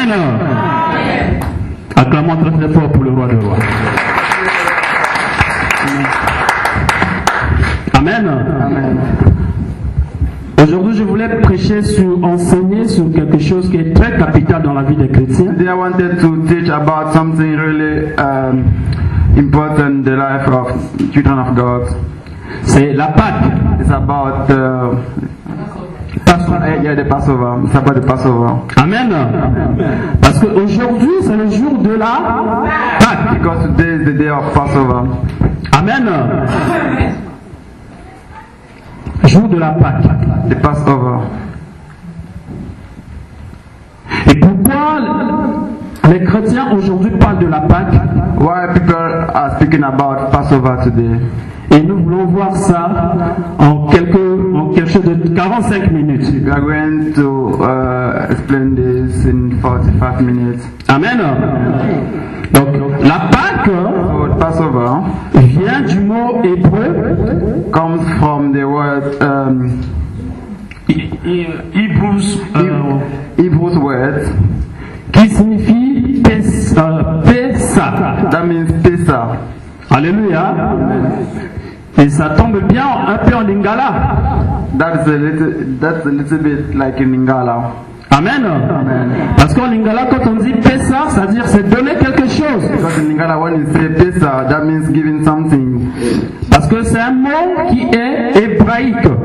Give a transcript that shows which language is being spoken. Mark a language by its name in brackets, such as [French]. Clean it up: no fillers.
[French] Amen. Acclamons très très fort pour le roi de rois. Amen. Amen. Aujourd'hui, je voulais prêcher sur, enseigner sur quelque chose qui est très capital dans la vie des chrétiens. [English] Today I wanted to teach about something really important in the life of children of God. [French] C'est la Pâque. [English] It's about Passover. Yeah, the Passover. It's about the Passover. Amen. Amen. [French] Parce que aujourd'hui, c'est le jour de la Pâque. [English] Because today is the day of Passover. Amen. Amen. [French] Jour de la Pâque. [English] The Passover. [French] Et pourquoi les chrétiens aujourd'hui parlent de la Pâque? [English] Why people are speaking about Passover today? [French] Et nous voulons voir ça en quelque chose de 45 minutes. [English] We are going to explain this in 45 minutes. [French] Amen. Donc la Pâque, [English] so, Passover, [French] vient du mot hébreu, [English] comes from the word Hebrews word, [French] qui signifie Pesach. [English] That means Pesach. Alléluia. [French] Et ça tombe bien un peu en Lingala. [English] That's a little bit like in Lingala. Amen. Amen. [French] Parce qu'en Lingala, quand on dit Pesach, ça veut dire c'est donner quelque chose. [English] Because in Lingala, when you say Pesach, that means giving something. [French] Parce que c'est un mot qui est hébraïque.